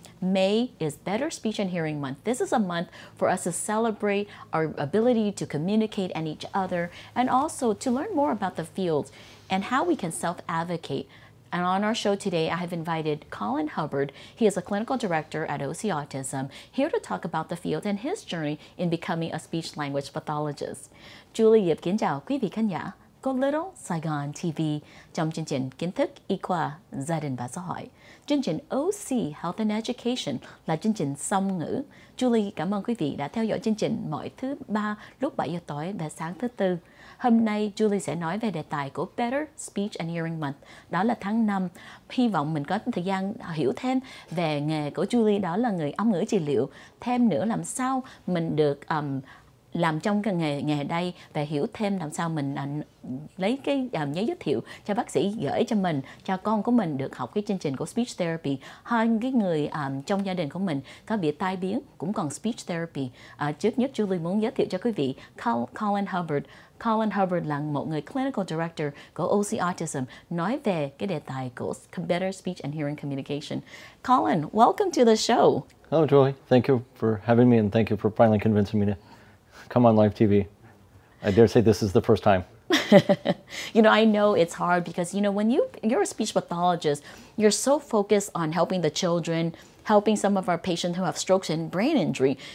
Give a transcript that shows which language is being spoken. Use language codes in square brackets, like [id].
[en] May is Better Speech and Hearing Month. This is a month for us to celebrate our ability to communicate and each other, and also to learn more about the field and how we can self-advocate. And on our show today, I have invited Collin Hubbard. He is a clinical director at OC Autism, here to talk about the field and his journey in becoming a speech-language pathologist. [vi] Julie Yip, kính chào quý vị khán giả của Little Saigon TV trong chương trình Kiến thức Y khoa Gia đình và Xã hội. Chương trình OC Health and Education là chương trình song ngữ. Julie, cảm ơn quý vị đã theo dõi chương trình mỗi thứ ba lúc 7 giờ tối và sáng thứ tư. Hôm nay, Julie sẽ nói về đề tài của Better Speech and Hearing Month, đó là tháng 5. Hy vọng mình có thời gian hiểu thêm về nghề của Julie, đó là người âm ngữ trị liệu. Thêm nữa làm sao mình được làm trong cái nghề đây và hiểu thêm làm sao mình lấy cái giấy giới thiệu cho bác sĩ gửi cho mình, cho con của mình được học cái chương trình của Speech Therapy. Hai cái người trong gia đình của mình có bị tai biến cũng còn Speech Therapy. Trước nhất, Julie muốn giới thiệu cho quý vị Collin Hubbard. Collin Hubbard là một người clinical director của OC Autism, nói về cái đề tài của Better Speech and Hearing Communication. [en] Collin, welcome to the show. Hello, Joy. Thank you for having me and thank you for finally convincing me to come on live TV. I dare say this is the first time. You know, I know it's hard because, you know, when you're a speech pathologist, you're so focused on helping the children, helping some of our patients who have strokes and brain injury.